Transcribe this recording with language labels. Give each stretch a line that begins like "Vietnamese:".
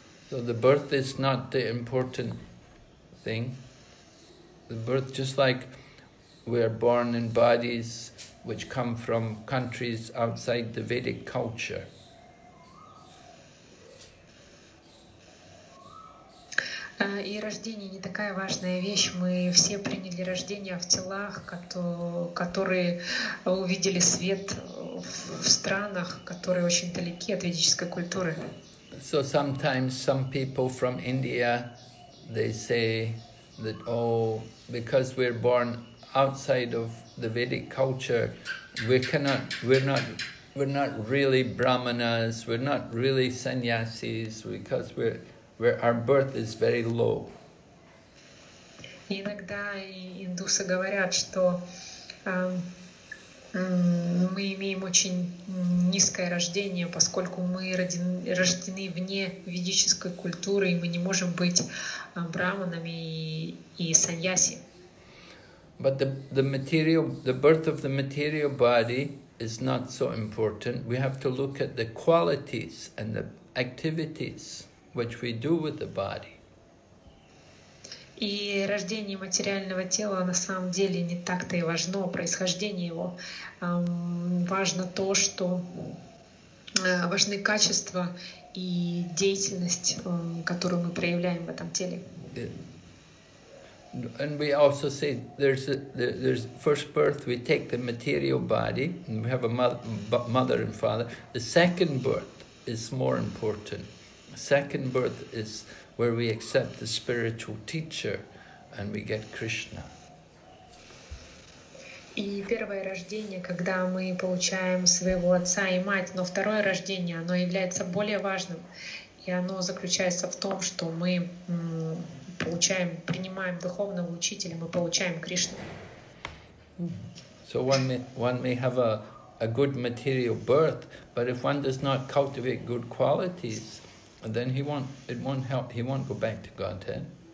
English: So the birth is not the important thing. The birth, just like we are born in bodies which come from countries outside the Vedic culture.
Russian: И рождение не такая важная вещь. Мы все приняли рождение в телах, которые увидели свет в странах, которые очень далеки от ведической культуры.
English: So sometimes some people from India, they say that, oh, because we're born outside of the Vedic culture, we're not really Brahmanas, we're not really sannyasis, because our birth is very low.
Russian: Иногда индусы говорят, что мы имеем очень низкое рождение, поскольку мы рождены вне ведической культуры, и мы не можем быть брахманами и саньяси.
English: But the material, the birth of the material body is not so important. We have to look at the qualities and the activities which we do with the body.
Russian: И рождение материального тела на самом деле не так-то и важно, происхождение его. Важно то, что важны качества и деятельность, которую мы проявляем в этом теле.
English: And we also say there's first birth, we take the material body, and we have a mother and father. The second birth is more important. Second birth is where we accept the spiritual teacher. And we get Krishna.
Russian: И первое рождение, когда мы получаем своего отца и мать, но второе рождение, оно является более важным, и оно заключается в том, что мы принимаем духовного учителя, мы получаем Кришну.
English: So one may have a good material birth, but if one does not cultivate good qualities, then he won't go back to Godhead.